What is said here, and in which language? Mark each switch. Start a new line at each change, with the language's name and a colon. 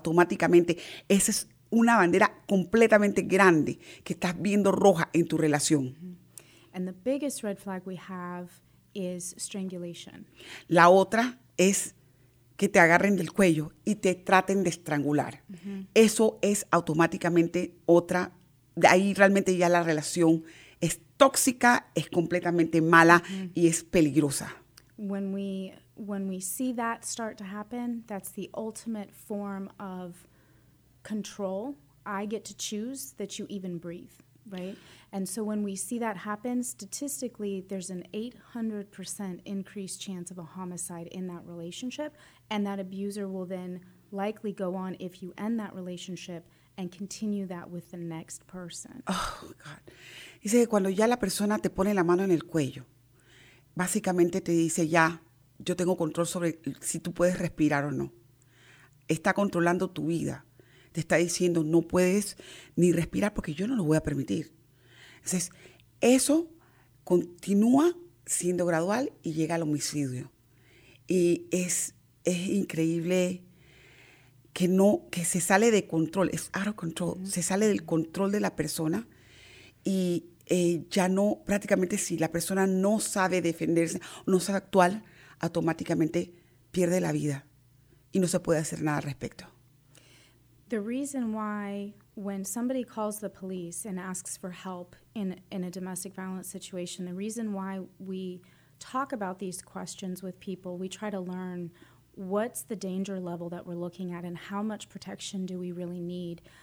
Spanish: Automáticamente, esa es una bandera completamente grande que estás viendo roja en tu relación.
English: And the biggest red flag we have is strangulation.
Spanish: La otra es que te agarren del cuello y te traten de estrangular. Mm-hmm. Eso es automáticamente otra. De ahí realmente ya la relación es tóxica, es completamente mala mm-hmm. y es peligrosa.
English: When we see that start to happen, that's the ultimate form of control. I get to choose that you even breathe, right? And so when we see that happen, statistically, there's an 800% increased chance of a homicide in that relationship, and that abuser will then likely go on if you end that relationship and continue that with the next person. Oh, God.
Spanish: Dice que cuando ya la persona te pone la mano en el cuello, básicamente te dice ya, yo tengo control sobre si tú puedes respirar o no. Está controlando tu vida. Te está diciendo, no puedes ni respirar porque yo no lo voy a permitir. Entonces, eso continúa siendo gradual y llega al homicidio. Y es increíble que se sale de control. Es
English: out of control.
Spanish: Mm-hmm. Se sale del control de la persona y ya no, prácticamente si la persona no sabe defenderse, no sabe actuar, automáticamente pierde la vida y no se puede hacer nada al respecto.
English: The reason why when somebody calls the police and asks for help in a domestic violence situation, the reason why we talk about these questions with people, we try to learn what's the danger level that we're looking at and how much protection do we really need.